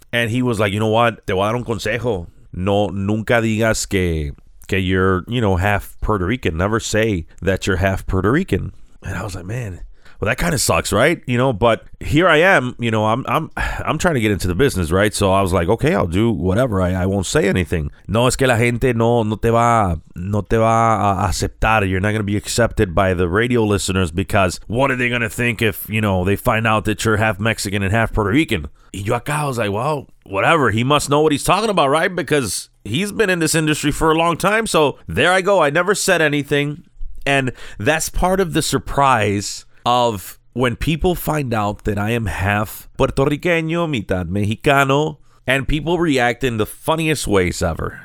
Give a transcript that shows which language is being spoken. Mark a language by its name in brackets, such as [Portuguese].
[English] And he was like, you know what? [Spanish] Te voy a dar un consejo. No, nunca digas que [English] you're, you know, half Puerto Rican. Never say that you're half Puerto Rican. And I was like, man. Well, that kind of sucks, right? You know, but here I am, you know, I'm trying to get into the business, right? So I was like, okay, I'll do whatever. I won't say anything. [Spanish] No, es que la gente no te va a aceptar. [English] You're not going to be accepted by the radio listeners because what are they going to think if, you know, they find out that you're half Mexican and half Puerto Rican? [Spanish] Y yo acá, [English] I was like, well, whatever. He must know what he's talking about, right? Because he's been in this industry for a long time. So there I go. I never said anything. And that's part of the surprise of when people find out that I am half Puerto Ricano, [Spanish] mitad Mexicano, [English] and people react in the funniest ways ever.